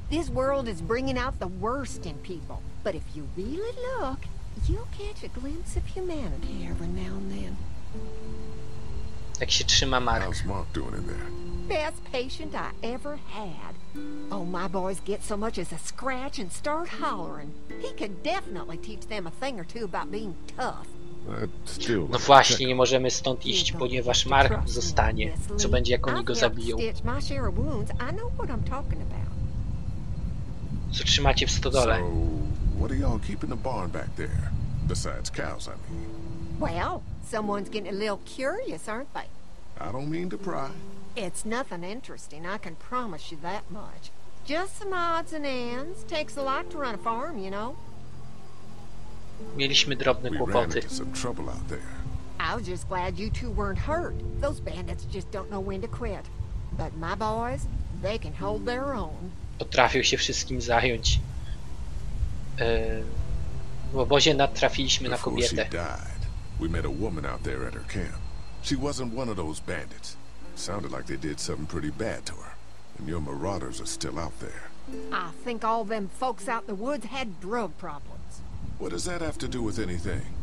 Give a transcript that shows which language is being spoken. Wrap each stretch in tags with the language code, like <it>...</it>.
<en>This world is bringing out the worst in people. But if you really look, you'll catch a glimpse of humanity every now and then.</en> <pl>Jak się trzyma Mark?</pl> <en>How's Mark doing in there? Best patient I ever had. Oh, my boys get so much as a scratch and start hollering. He could definitely teach them a thing or two about being tough. Still,</en> <pl>no właśnie, nie możemy stąd iść, ponieważ Mark zostanie. Co będzie, jak oni go zabiją?</pl> <en>I've helped stitch my share of wounds. I know what I'm talking about.</en> <pl>Co trzymacie w stodole?</pl> <en>So, what are y'all keeping the barn back there? Besides cows, I mean. Well, someone's getting a little curious, aren't they? I don't mean to pry. It's nothing interesting, I can promise you that much. Just some odds and ends. Takes a lot to run a farm, you know.</en> <pl>Mieliśmy drobne kłopoty.</pl> <en>We ran into some trouble out there. I was just glad you two weren't hurt. Those bandits just don't know when to quit. But my boys, they can hold their own.</en> <pl>Potrafił się wszystkim zająć. W obozie natrafiliśmy na kobietę.</pl> <en>Before she died, we met a woman out there at her camp. She wasn't one of those bandits. Sounded like they did something pretty bad to her. And your marauders are still out there. I think all them folks out in the woods had drug problems. What does that have to do with anything?</en>